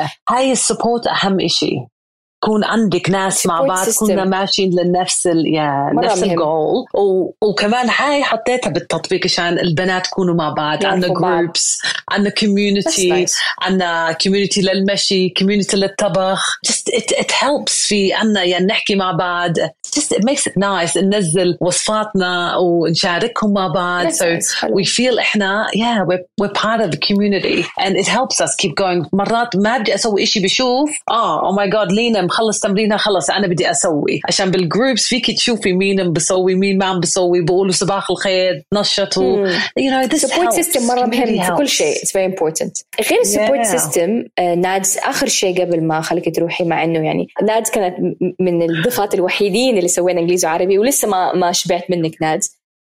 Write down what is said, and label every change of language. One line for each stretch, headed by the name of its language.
Arabic: هاي السبورت أهم إشي, كون عندك ناس مع بعض كنا ماشيين لنفس ال نفس الجول. وكمان هاي حطيتها بالتطبيق عشان البنات كونوا مع بعض, عندنا groups, عندنا community, عندنا community للمشي, community للطبخ.
English: just it helps
Arabic: في عندنا يعني نحكي مع بعض.
English: just it makes it nice
Arabic: ننزل وصفاتنا ونشاركهم مع بعض.
English: so we feel إحنا we're part of the community and it helps us keep going.
Arabic: مرات ما بدي أسوي إشي بشوف
English: oh my god
Arabic: لينا مخلص تمرينها خلص أنا بدي أسوي, عشان بالجروبس فيك تشوفي مين بسوي مين ما عم بسوي, بقولوا صباح الخير نشطوا.
English: You know this support helps. System
Arabic: مرة مهم في كل شيء.
English: It's very important.
Arabic: غير support system نادز آخر شيء قبل ما خليك تروحي, مع إنه يعني نادز كانت من الضفات الوحيدين اللي سوينا إنجليزي وعربي ولسه ما شبعت منك نادز.